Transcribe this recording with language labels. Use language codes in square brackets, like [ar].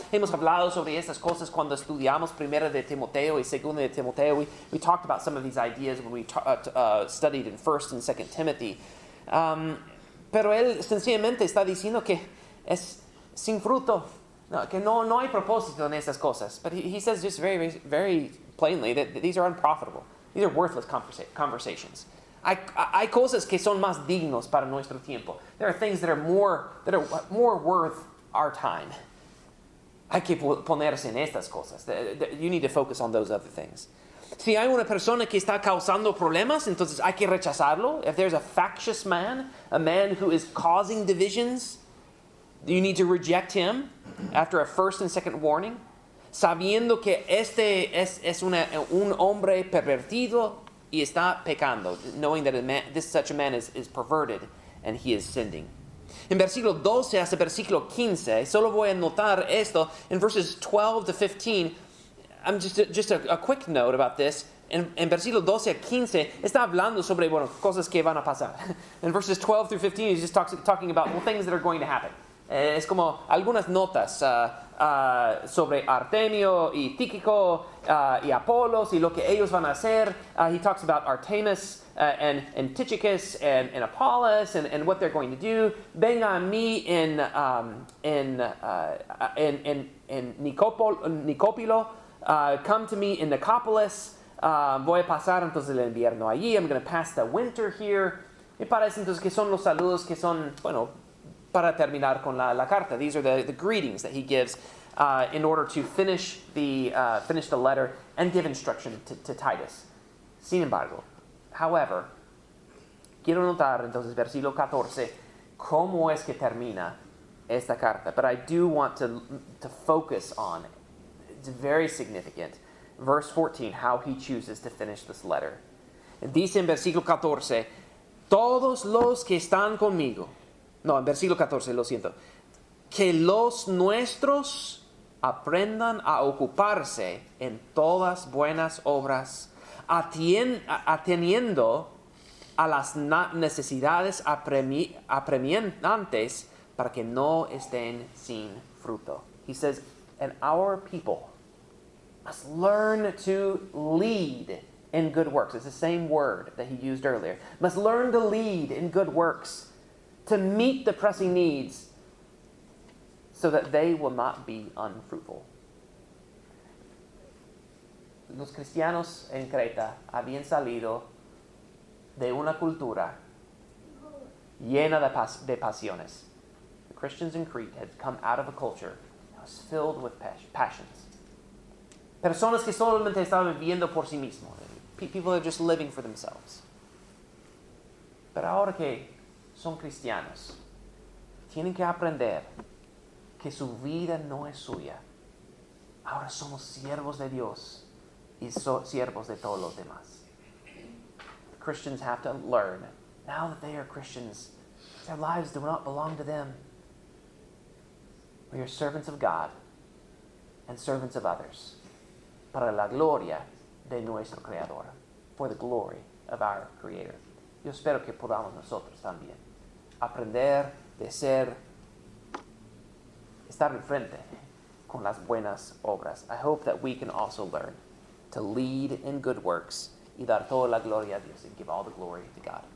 [es] Hemos hablado sobre estas cosas cuando estudiamos Primera de Timoteo y Segunda de Timoteo. [en] We talked about some of these ideas when we studied in First and Second Timothy. [es] Pero él sencillamente está diciendo que es sin fruto, no, que no hay propósito en estas cosas. [en] But he says just very, very, very plainly that these are unprofitable. These are worthless conversations. [es] Hay cosas que son más dignos para nuestro tiempo. [en] There are things that are more worth our time. [es] Hay que ponerse en estas cosas. [en] You need to focus on those other things. [es] Si hay una persona que está causando problemas, entonces hay que rechazarlo. [en] If there's a factious man, a man who is causing divisions, you need to reject him after a first and second warning. [es] Sabiendo que este es un hombre pervertido y está pecando. [en] Knowing that such a man is perverted and he is sinning. [es] En versículo 12 hasta versículo 15, solo voy a notar esto. [en] In verses 12 to 15, I'm just a quick note about this. [es] En versículo 12 a 15, está hablando sobre, bueno, cosas que van a pasar. [en] In verses 12 through 15, he's just talking about, well, things that are going to happen. [es] Es como algunas notas sobre Artemio y Tíquico y Apolos y lo que ellos van a hacer. [en] He talks about Artemis and Tychicus and Apollos and what they're going to do. [es] Venga a mí en Nicópolo. [en] Come to me in Nicopolis. [es] Voy a pasar entonces el invierno allí. [en] I'm going to pass the winter here. [es] Me parece entonces que son los saludos que son, bueno, para terminar con la carta. [en] These are the greetings that he gives in order to finish the letter and give instruction to Titus. [es] Sin embargo, [en] however, [es] quiero notar entonces versículo 14, cómo es que termina esta carta. [en] But I do want to focus on it. It's very significant. Verse 14, how he chooses to finish this letter. [es] Dice en versículo 14, todos los que están conmigo. No, en versículo 14, lo siento. Que los nuestros aprendan a ocuparse en todas buenas obras, ateniendo a las necesidades apremiantes para que no estén sin fruto. [en] He says, and our people must learn to lead in good works. It's the same word that he used earlier. Must learn to lead in good works. To meet the pressing needs so that they will not be unfruitful. [es] Los cristianos en Creta habían salido de una cultura llena de pasiones. [en] The Christians in Crete had come out of a culture that was filled with passions. [es] Personas que solamente estaban viviendo por sí mismos. [en] People are just living for themselves. [es] Pero ahora que son cristianos, tienen que aprender que su vida no es suya. Ahora somos siervos de Dios y siervos de todos los demás. [en] Christians have to learn, now that they are Christians, their lives do not belong to them. We are servants of God and servants of others [es] para la gloria de nuestro Creador, [en] for the glory of our Creator. [es] Yo espero que podamos nosotros también aprender de ser, estar en frente con las buenas obras. [en] I hope that we can also learn to lead in good works [es] y dar toda la gloria a Dios [en] and give all the glory to God.